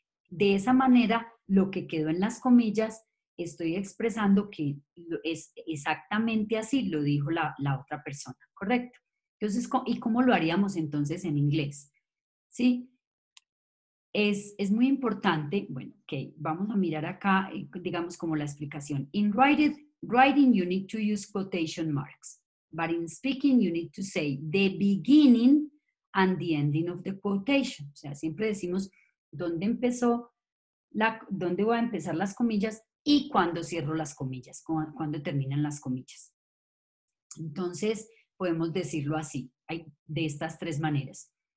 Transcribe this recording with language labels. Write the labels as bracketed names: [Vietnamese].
[Spanish] De esa manera, lo que quedó en las comillas, estoy expresando que es exactamente así, lo dijo la otra persona, ¿correcto? Entonces, ¿y cómo lo haríamos entonces en inglés? ¿Sí? Es muy importante, bueno, ok, vamos a mirar acá, digamos como la explicación. [English] In writing, you need to use quotation marks. But in speaking, you need to say the beginning and the ending of the quotation. [Spanish] O sea, siempre decimos dónde empezó, dónde voy a empezar las comillas y cuándo cierro las comillas, cuándo terminan las comillas. Entonces, podemos decirlo así, de estas tres maneras.